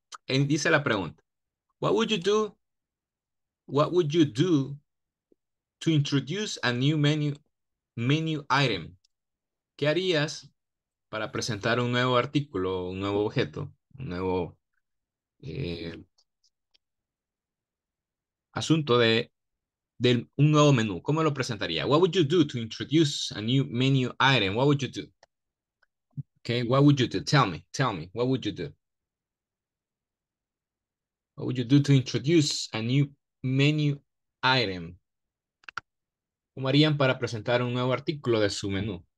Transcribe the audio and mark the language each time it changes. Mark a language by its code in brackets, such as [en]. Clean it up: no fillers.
[es] Y dice la pregunta, [en] What would you do to introduce a new menu item? [es] ¿Qué harías para presentar un nuevo artículo, un nuevo objeto, un nuevo asunto de un nuevo menú? ¿Cómo lo presentaría? [en] What would you do to introduce a new menu item? What would you do? Okay, what would you do? Tell me, what would you do? What would you do to introduce a new menu item? [es] ¿Cómo harían para presentar un nuevo artículo de su menú?